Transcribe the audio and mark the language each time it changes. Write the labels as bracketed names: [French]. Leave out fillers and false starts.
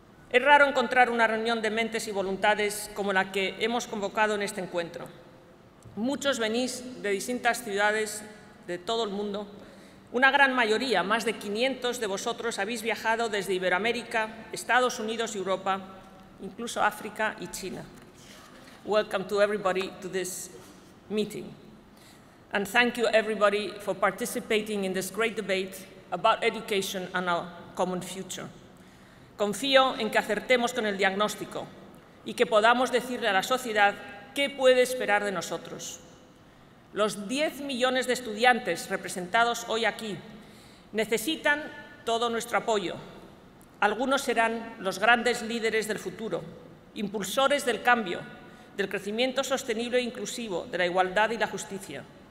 [Spanish] Es raro encontrar una reunión de mentes y voluntades como la que hemos convocado en este encuentro. Muchos venís de distintas ciudades de todo el mundo. Una gran mayoría, más de 500 de vosotros, habéis viajado desde Iberoamérica, Estados Unidos y Europa, incluso África y China. [English] Welcome to everybody to this meeting. And thank you everybody for participating in this great debate about education and our common future. [Spanish] Confío en que acertemos con el diagnóstico y que podamos decirle a la sociedad qué puede esperar de nosotros. Los 10 millones de estudiantes representados hoy aquí necesitan todo nuestro apoyo. Algunos serán los grandes líderes del futuro, impulsores del cambio, del crecimiento sostenible e inclusivo, de la igualdad y la justicia.